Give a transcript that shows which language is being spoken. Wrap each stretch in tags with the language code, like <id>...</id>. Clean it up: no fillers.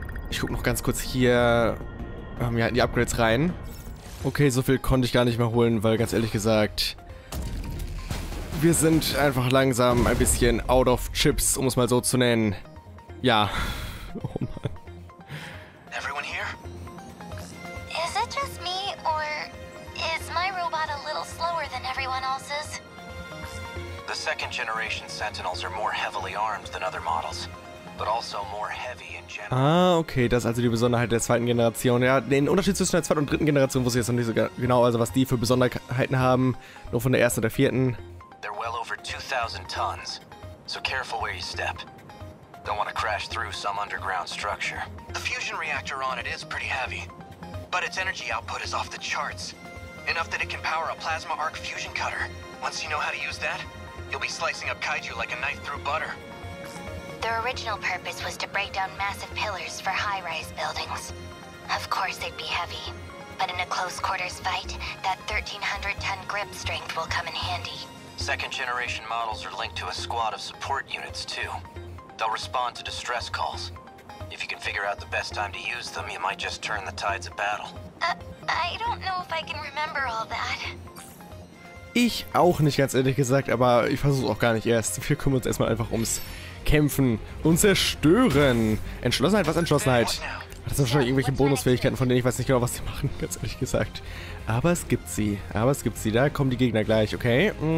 <de>Ich gucke noch ganz kurz hier... ja, in die Upgrades rein. Okay, so viel konnte ich gar nicht mehr holen, weil ganz ehrlich gesagt, wir sind einfach langsam ein bisschen</de> <en>out of chips,</en> <de>um es mal so zu nennen. Ja. Oh Mann.</de> <en>Everyone here? Is it just me or is my robot a little slower than everyone else's? The second generation Sentinels are more heavily armed than other models. But also more heavy in general.</en> <de>Ah, okay, das ist also die Besonderheit der zweiten Generation. Ja, den Unterschied zwischen der zweiten und dritten Generation wusste ich jetzt noch nicht so genau, also was die für Besonderheiten haben, nur von der ersten und der vierten.</de> <en>They're well over 2000 tons. So careful where you step. Don't want to crash through some underground structure. The fusion reactor on it is pretty heavy, but its energy output is off the charts. Enough that it can power a plasma arc fusion cutter. Once you know how to use that, you'll be slicing up kaiju like a knife through butter. Their original purpose was to break down massive pillars for high-rise buildings. Of course they'd be heavy, but in a close-quarters fight, that 1,300-ton grip strength will come in handy. Second-generation models are linked to a squad of support units, too. They'll respond to distress calls. If you can figure out the best time to use them, you might just turn the tides of battle. I don't know if I can remember all that.</en> <de>Ich auch nicht, ganz ehrlich gesagt, aber ich versuch's auch gar nicht erst. Wir kümmern uns erstmal einfach ums Kämpfen und Zerstören. Entschlossenheit? Was Entschlossenheit? Das sind wahrscheinlich irgendwelche Bonusfähigkeiten, von denen ich weiß nicht genau, was sie machen, ganz ehrlich gesagt. Aber es gibt sie. Da kommen die Gegner gleich, okay?</de>